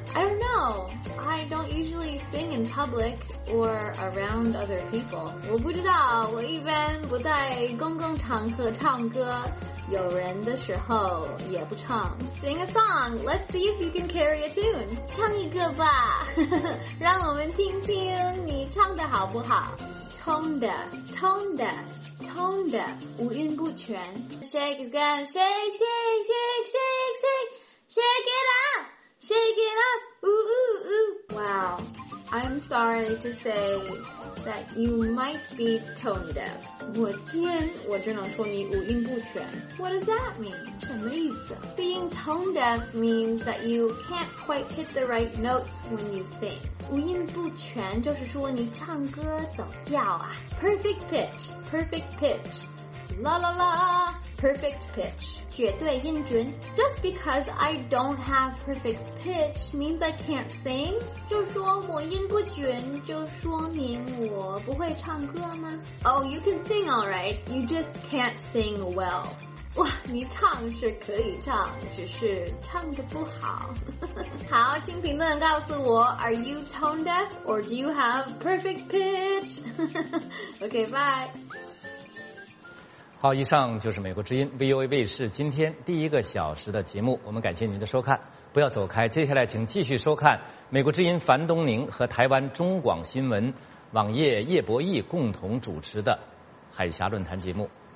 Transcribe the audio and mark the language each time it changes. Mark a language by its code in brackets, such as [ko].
[en] I don't know, I don't usually sing in publicor around other people. [zh] 我不知道，我一般不在公共场合唱歌，有人的时候也不唱。 [en] Sing a song, let's see if you can carry a tune. [zh] 唱一个吧，让我们听听你唱得好不好。 [en] Tone deaf, tone deaf, tone deaf, [zh] 五音不全。 [en] Shake is gonna shake, shake, shake, shake, shake, shake it up, shake it up, ooh, ooh, ooh. Wow. I'm sorry to say that you might be tone deaf. [zh] 我天，我只能说你五音不全。 [en] What does that mean? [zh] 什么意思？ [en] Being tone deaf means that you can't quite hit the right notes when you sing. [zh] 五音不全就是说你唱歌走调啊。 [en] Perfect pitch, perfect pitch. La la la, perfect pitch. [zh] 绝对音准。 [en] Just because I don't have perfect pitch means I can't sing? [zh] 就说我音不准就说明我不会唱歌吗？ [en] Oh, you can sing all right. You just can't sing well. [zh] 哇，你唱是可以唱，只是唱得不好。好，请评论告诉我 [en] Are you tone deaf or do you have perfect pitch? Okay, bye. [zh] 好，以上就是美国之音 VOA 卫视今天第一个小时的节目，我们感谢您的收看，不要走开，接下来请继续收看美国之音樊东宁和台湾中广新闻网页叶博弈共同主持的海峡论坛节目。